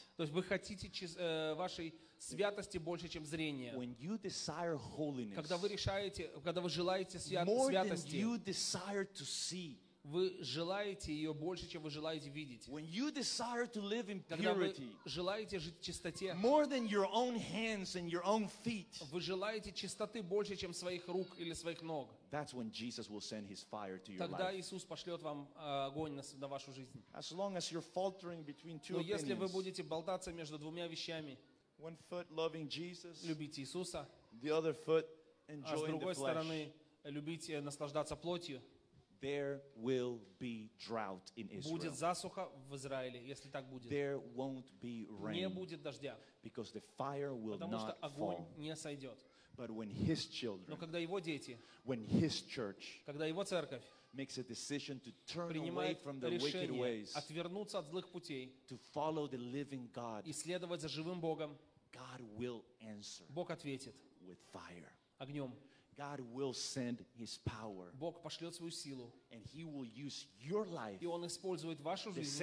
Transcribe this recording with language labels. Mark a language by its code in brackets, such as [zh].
[ru] То есть вы хотите вашей святости больше, чем зрение. [en] When you desire holiness, [ru] когда вы решаете, когда вы желаете святости, [en] than you desire to see, [ru] вы желаете ее больше, чем вы желаете видеть. [en] When you desire to live in purity, [ru] когда вы желаете жить в чистоте, [en] more than your own hands and your own feet, [ru] вы желаете чистоты больше, чем своих рук или своих ног. [en] That's when Jesus will send His fire to your [ru] Тогда Тогда Иисус пошлет вам огонь на вашу жизнь. [en] As long as you're faltering between two [ru] Но [en] opinions, [ru] если вы будете болтаться между двумя вещами, [en] one foot loving Jesus, [ru] любите Иисуса, [en] the other foot enjoying the flesh, [ru] а с другой стороны любите наслаждаться плотью, [en] there will be drought in Israel. [ru] Будет засуха в Израиле, если так будет. [en] There won't be rain. [ru] Не будет дождя. [en] Because the fire will [ru] Потому [en] not [ru] что огонь [en] fall. [ru] Не сойдет. [en] But when his children, [ru] Но когда его дети, [en] when his church, [ru] когда его церковь, [en] makes a decision to turn away from the wicked ways, [ru] отвернуться от злых путей, [en] to follow the living God, [ru] и следовать за живым Богом, [en] God will answer. [ru] Бог ответит [en] with fire. [ru] Огнем. [en] God will send His power. [ru] Бог пошлет свою силу. [en] And He will use your life. [ru] И Он использует вашу жизнь.